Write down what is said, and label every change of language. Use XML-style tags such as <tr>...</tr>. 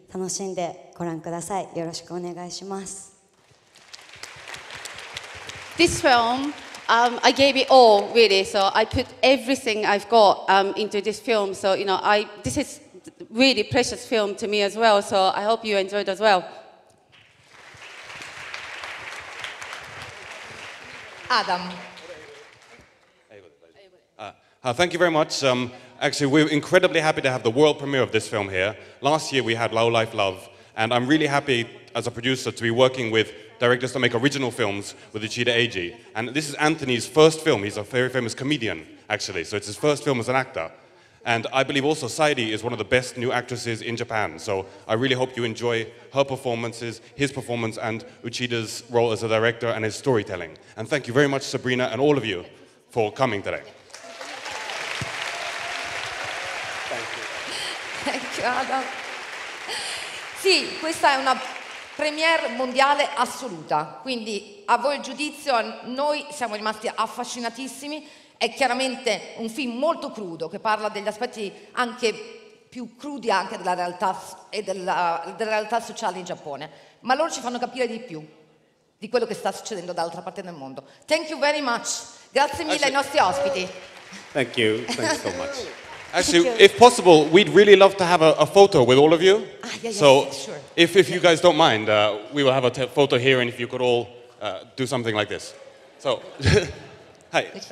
<ja>私の、いろいろ全てを注ぎ込んだ大切な作品になっているので、ぜひ楽しんでご覧ください。よろしくお願いします。</ja> <en>This film, I gave it all, really. So I put everything I've got into this film. So, you know, this is really precious film to me as well. So I hope you enjoyed as well. Adam. Thank you very much. Actually, we're incredibly happy to have the world premiere of this film here. Last year we had Low Life Love, And I'm really happy as a producer to be working with directors that make original films with Uchida Eiji. And this is Anthony's first film. He's a very famous comedian, actually. So it's his first film as an actor. And I believe also Saidi is one of the best new actresses in Japan. So I really hope you enjoy her performances, his performance, and Uchida's role as a director and his storytelling. And thank you very much, Sabrina, and all of you for coming today. Thank you. Thank you, Adam.</en> <it>Sì, questa è una premiere mondiale assoluta, quindi a voi il giudizio, noi siamo rimasti affascinatissimi, è chiaramente un film molto crudo che parla degli aspetti anche più crudi anche della realtà e della realtà sociale in Giappone, ma loro ci fanno capire di più di quello che sta succedendo dall'altra parte del mondo.</it> <en>Thank you very much,</en> <it>grazie mille ai nostri ospiti.</it> <en>Thank you, thank you so much. Actually, if possible, we'd really love to have a photo with all of you. Ah, yeah, yeah, so sure. If you guys don't mind, we will have a photo here, and if you could all do something like this. So, hi.</en>